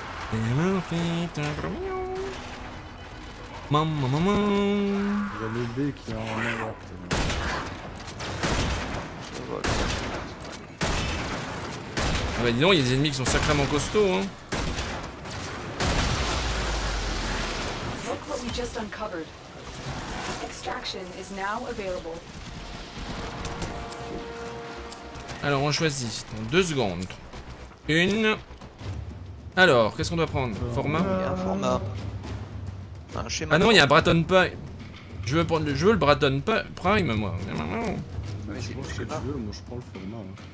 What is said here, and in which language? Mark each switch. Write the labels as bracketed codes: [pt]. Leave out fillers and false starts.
[fr] C'est la fête, un gros mignon. Maman, maman. Il y a le B qui est en l'air. Ah bah dis donc, il y a des ennemis qui sont sacrément costauds, hein. [en] Look what we just uncovered. Extraction is now available. [fr] Alors on choisit dans 2 secondes. Une. Alors, qu'est-ce qu'on doit prendre? Format. Il y a un format. Un schéma. Ah non, il y a un Bratton Pie. Je veux prendre le jeu, le Braddon Prime, moi. Non, non, non. Mais c'est ce que tu veux, moi je prends le format.